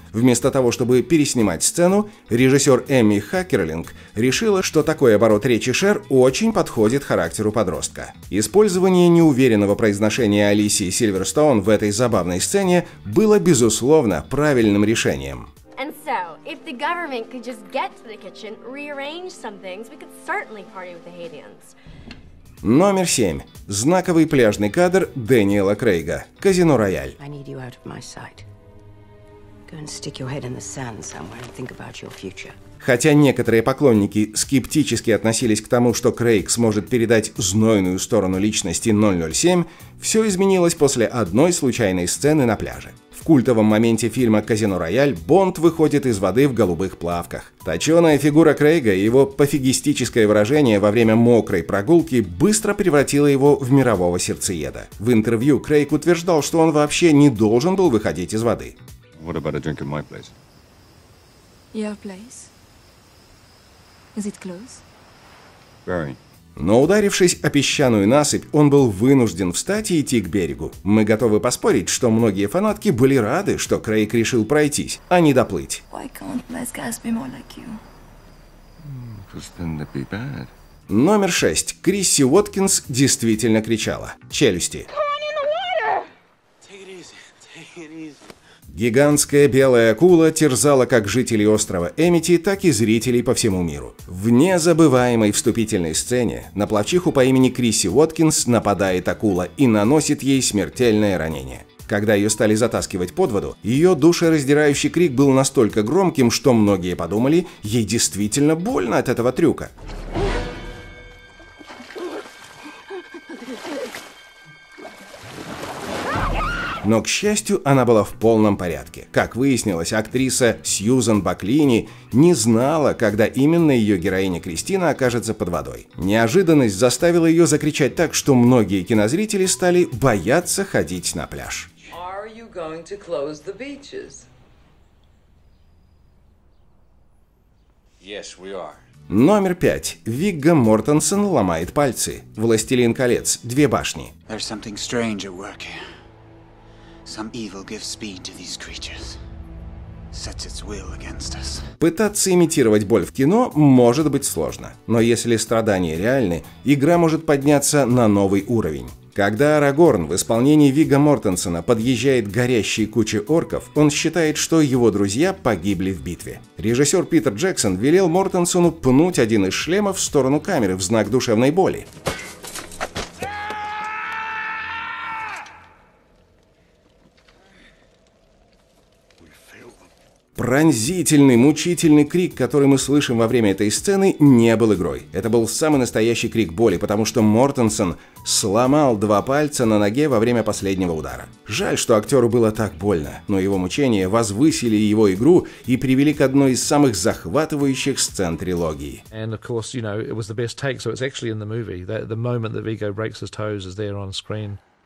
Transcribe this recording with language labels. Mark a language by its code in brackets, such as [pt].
[ru] Вместо того, чтобы переснимать сцену, режиссер Эмми Хакерлинг решила, что такой оборот речи Шер очень подходит характеру подростка. Использование неуверенного произношения Алисии Сильверстоун в этой забавной сцене было, безусловно, правильным решением. [en] And so, if the government could just get to the kitchen, rearrange some things, we could certainly party with the Haitians. [ru] Номер 7. Знаковый пляжный кадр Дэниела Крейга. Казино Рояль. [en] I need you out of my sight. Go and stick your head in the sand somewhere and think about your future. [ru] Хотя некоторые поклонники скептически относились к тому, что Крейг сможет передать знойную сторону личности 007, все изменилось после одной случайной сцены на пляже. В культовом моменте фильма «Казино Рояль» Бонд выходит из воды в голубых плавках. Точеная фигура Крейга и его пофигистическое выражение во время мокрой прогулки быстро превратило его в мирового сердцееда. В интервью Крейг утверждал, что он вообще не должен был выходить из воды. [en] What about a drink in my place? Your place? Is it close? Very. [ru] Но ударившись о песчаную насыпь, он был вынужден встать и идти к берегу. Мы готовы поспорить, что многие фанатки были рады, что Крейг решил пройтись, а не доплыть. [en] Why can't less gas be more like you? Because then it'd be bad. [ru] Номер 6. Крисси Уоткинс действительно кричала. Челюсти. Гигантская белая акула терзала как жителей острова Эмити, так и зрителей по всему миру. В незабываемой вступительной сцене на плавчиху по имени Крисси Уоткинс нападает акула и наносит ей смертельное ранение. Когда ее стали затаскивать под воду, ее душераздирающий крик был настолько громким, что многие подумали, ей действительно больно от этого трюка. Но, к счастью, она была в полном порядке. Как выяснилось, актриса Сьюзан Баклини не знала, когда именно ее героиня Кристина окажется под водой. Неожиданность заставила ее закричать так, что многие кинозрители стали бояться ходить на пляж. [en] Are you going to close the beaches? Yes, we are. [ru] Номер 5. Вигго Мортенсен ломает пальцы. «Властелин колец. Две башни». [en] There's something strange at work here. Some evil gives speed to these creatures. Sets its will against us. [ru] Пытаться имитировать боль в кино может быть сложно, но если страдания реальны, игра может подняться на новый уровень. Когда Арагорн в исполнении Вигго Мортенсена подъезжает к горящей куче орков, он считает, что его друзья погибли в битве. Режиссер Питер Джексон велел Мортенсену пнуть один из шлемов в сторону камеры в знак душевной боли. Пронзительный, мучительный крик, который мы слышим во время этой сцены, не был игрой. Это был самый настоящий крик боли, потому что Мортенсен сломал два пальца на ноге во время последнего удара. Жаль, что актеру было так больно, но его мучения возвысили его игру и привели к одной из самых захватывающих сцен трилогии. [en] And of course, you know, it was the best take, so it's actually in the movie. The moment that Viggo breaks his toes is there on screen.